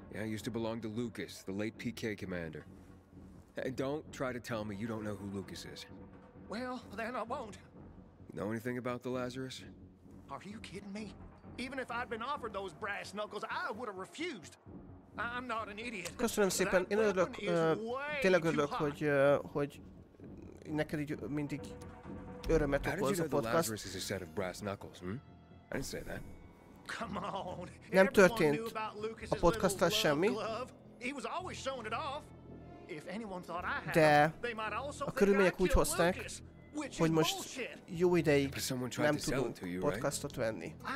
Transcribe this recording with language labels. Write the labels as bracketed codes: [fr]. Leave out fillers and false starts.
[en] Yeah, used to belong to Lucas, the late PK commander. And don't try to tell me you don't know who Lucas is. Well, then I won't. You know anything about the Lazarus? Are you kidding me? Even if I'd been offered those brass knuckles, I would have refused. I'm not an idiot. [hu] Köszönöm szépen. Én örülök, tényleg örülök, hogy neked így mindig örömet okoz a podcast. [en] How did you know the Lazarus is a set of brass knuckles, I didn't say that. Come on. [hu] Nem történt a podcasttal semmi. [en] He was always showing it off. If anyone thought I had, [hu] de a körülmények úgy hozták, hogy most jó ideig nem tudunk podcastot venni.